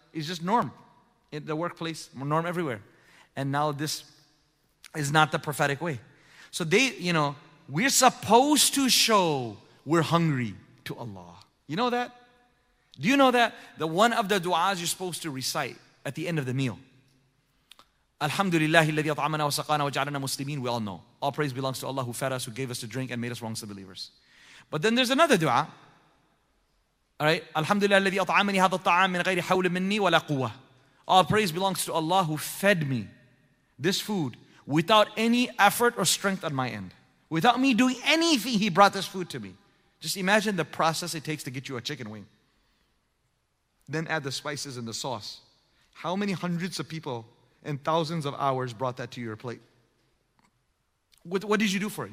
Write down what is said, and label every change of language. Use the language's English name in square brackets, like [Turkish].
[English] It's just norm in the workplace, norm everywhere. And now this is not the prophetic way. So they, you know, we're supposed to show we're hungry to Allah. You know that? Do you know that? The one of the du'as you're supposed to recite at the end of the meal. [Arabic] Alhamdulillah, الذي أطعمنا وسقانا وجعلنا مسلمين. [English] We all know. All praise belongs to Allah who fed us, who gave us to drink and made us amongst the believers. But then there's another du'a. Alright? [Arabic] Alhamdulillah, الذي أطعمني هذا الطعام من غير حول مني ولا قوة. [English] All praise belongs to Allah who fed me this food without any effort or strength on my end. Without me doing anything, He brought this food to me. Just imagine the process it takes to get you a chicken wing. Then add the spices and the sauce. How many hundreds of people and thousands of hours brought that to your plate? What did you do for it?